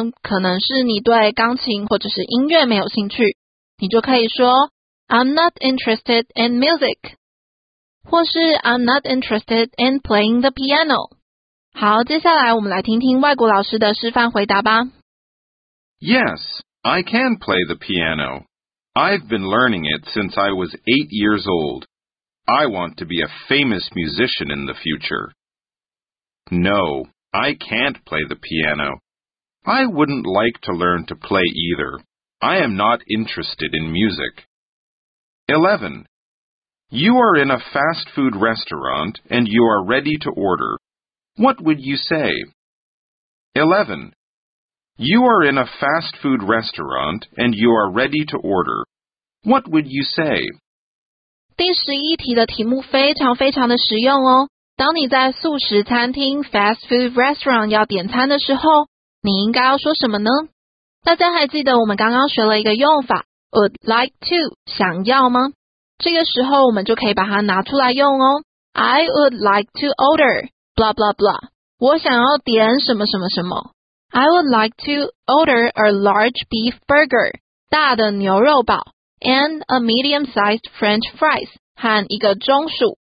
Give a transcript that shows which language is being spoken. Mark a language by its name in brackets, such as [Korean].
[Chinese] 可能是你对钢琴或者是音乐没有兴趣，你就可以说 [English] I'm not interested in music， [Chinese] 或是 [English] I'm not interested in playing the piano。 [Chinese] 好，接下来我们来听听外国老师的示范回答吧。 [English] Yes, I can play the piano. I've been learning it since I was 8 years old. I want to be a famous musician in the future. No, I can't play the piano. I wouldn't like to learn to play either. I am not interested in music. 11. You are in a fast food restaurant and you are ready to order. What would you say? 11. You are in a fast food restaurant and you are ready to order. What would you say? [Chinese] 第十一题的题目非常非常的实用哦。当你在素食餐厅 fast food restaurant 要点餐的时候，你应该要说什么呢？大家还记得我们刚刚学了一个用法 would like to 想要吗？这个时候我们就可以把它拿出来用哦。 [English] I would like to order, blah blah blah. [Chinese] 我想要点什么什么什么。 [English] I would like to order a large beef burger, [Chinese] 大的牛肉堡 [English] and a medium-sized French fries, [Chinese] 和一个中薯。